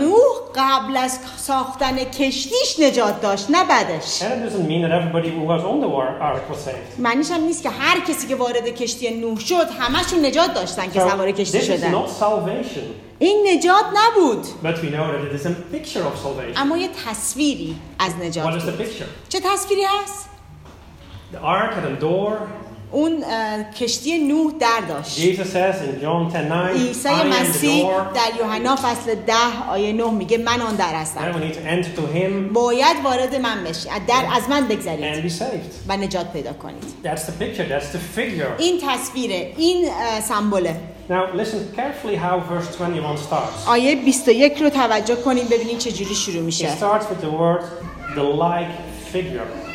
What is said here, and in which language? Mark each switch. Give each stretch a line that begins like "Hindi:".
Persian: نوح قبل از ساختن کشتیش نجات داشت، نه بعدش.
English: That doesn't mean that everybody who was on the ark was saved.
Persian: معنیش هم نیست که هر کسی که وارد کشتی نوح شد همشون نجات داشتن که سوار کشتی شدن.
English: This is not salvation.
Persian: این نجات نبود.
English: But we know that it is a picture of salvation.
Persian: اما یه تصویری از نجات.
English: What is the picture?
Persian: چه تصویری هست؟
English: The ark had a door.
Persian: اون کشتی نوح در داشت.
English: Jesus says in John 10:9,
Persian: عیسی مسیح در یوحنا فصل 10 آیه 9 میگه من آن در هستم.
English: I need to enter to him.
Persian: باید وارد من بشی. در از من بگذرید.
English: And be saved.
Persian: و نجات پیدا کنید.
English: That's the picture, that's the figure.
Persian: این تصویره، این سمبوله.
English: Now listen carefully how verse 21 starts.
Persian: آیه 21 رو توجه کنید ببینید چه جوری شروع میشه.
English: It starts with the word the like figure.